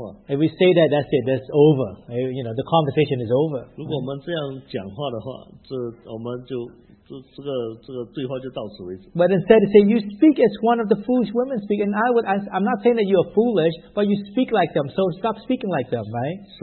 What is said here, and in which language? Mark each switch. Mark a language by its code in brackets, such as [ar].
[en] If we say that, that's it, that's over. You know, the conversation is over. [zh] 如果我们这样讲话的话，这我们就。这个对话就到此为止。 [en] But instead they say, you speak as one of the foolish women speak, and I would ask, I'm not saying that you are foolish, but you speak like them, so stop speaking like them, right?